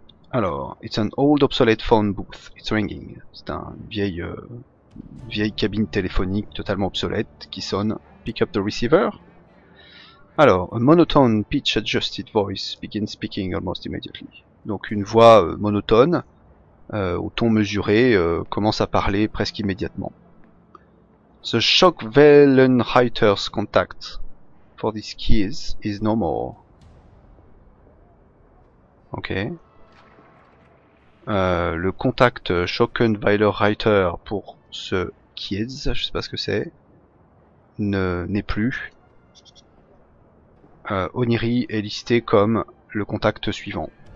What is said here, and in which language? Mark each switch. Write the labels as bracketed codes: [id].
[en] Alors, it's an old obsolete phone booth. It's ringing. [fr] C'est une vieille cabine téléphonique totalement obsolète qui sonne. [en] pick up the receiver. Alors, a monotone pitch adjusted voice begins speaking almost immediately. [fr] Donc une voix monotone, au ton mesuré, commence à parler presque immédiatement. [en] The shock Wellenreiter's contact for these keys is no more. Ok. [fr] Le contact Schockenweilerreiter pour ce Kies, je sais pas ce que c'est, n'est plus. Oniri est listé comme le contact suivant.